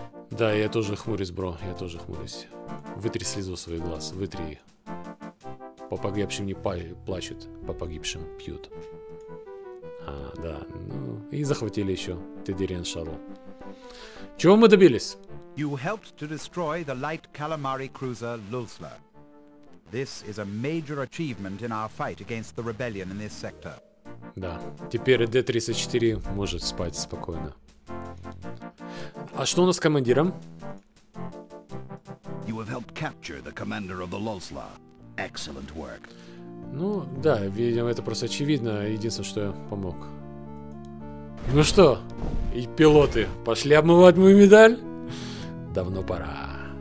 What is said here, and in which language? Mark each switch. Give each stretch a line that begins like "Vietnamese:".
Russian: Да, я тоже хмурюсь, бро, я тоже хмурюсь. Вытри слезу свой глаз, вытри. По погибшим не плачут, по погибшим пьют. А, да, ну, и захватили еще Тедериан Шаттл. Чего мы добились?
English: You helped to destroy the light calamari cruiser Lulzla. This is a major achievement in our fight against the rebellion in this sector.
Russian: Да, теперь D-34 может спать спокойно. А что у нас с командиром?
English: You have helped capture the commander of the Lulzla. Excellent work.
Russian: Ну, да, видимо, это просто очевидно. Единственное, что я помог. Ну что, и пилоты, пошли обмывать мою медаль? Давно пора.